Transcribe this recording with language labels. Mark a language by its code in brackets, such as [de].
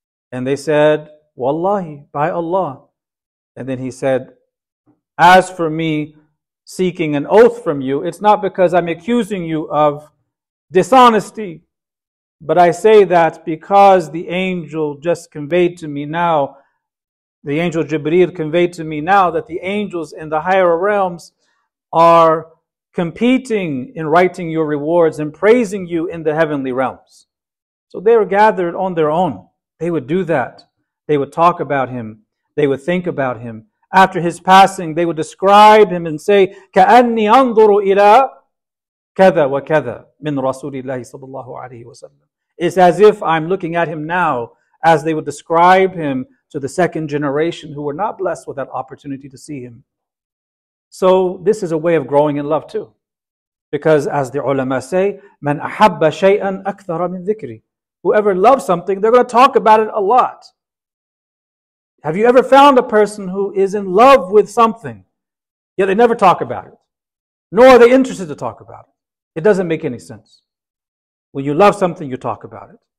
[en] And they said, "Wallahi, by Allah." And then he said, "As for me seeking an oath from you, it's not because I'm accusing you of dishonesty, but I say that because the angel just conveyed to me now, the angel Jibreel conveyed to me now that the angels in the higher realms are competing in writing your rewards and praising you in the heavenly realms." So they were gathered on their own. They would do that. They would talk about him. They would think about him. After his passing, they would describe him and say, [ar] "كَأَنِّي أَنظُرُ إِلَىٰ كَذَا وَكَذَا مِنْ رَسُولِ اللَّهِ صَلَى اللَّهُ عَلَيْهِ وَسَلَّمَ." [en] It's as if I'm looking at him now, as they would describe him to the second generation who were not blessed with that opportunity to see him. So this is a way of growing in love too. Because as the ulama say, [ar] "مَنْ أَحَبَّ شَيْئًا أَكْثَرَ مِنْ ذِكْرِ." [en] Whoever loves something, they're going to talk about it a lot. Have you ever found a person who is in love with something, yet they never talk about it? Nor are they interested to talk about it. It doesn't make any sense. When you love something, you talk about it.